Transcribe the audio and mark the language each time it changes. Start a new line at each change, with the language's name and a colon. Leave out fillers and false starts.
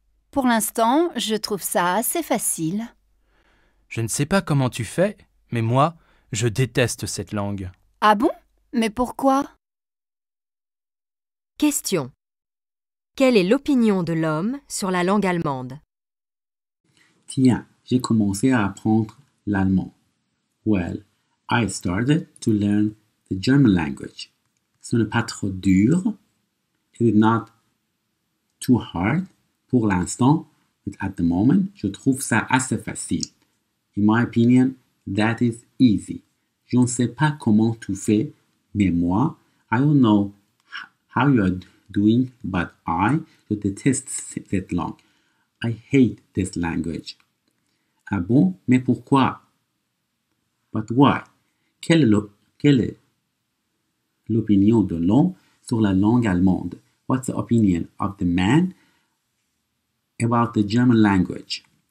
French: Pour l'instant, je trouve ça assez facile. Je ne sais pas comment tu fais, mais moi, je déteste cette langue. Ah bon? Mais pourquoi? Question. Quelle est l'opinion de l'homme sur la langue allemande? Tiens, j'ai commencé à apprendre l'allemand.
English: Well, I started to learn the German language.
French: Ce n'est pas trop dur.
English: It is not too hard.
French: Pour l'instant,
English: at the moment,
French: je trouve ça assez facile.
English: In my opinion, that is easy.
French: Je ne sais pas comment tu fais, mais moi,
English: I don't know how you are doing, but I,
French: je déteste cette langue.
English: I hate this language.
French: Ah bon, mais pourquoi?
English: But why?
French: Quelle est l'opinion de l'homme sur la langue allemande?
English: What's the opinion of the man about the German language?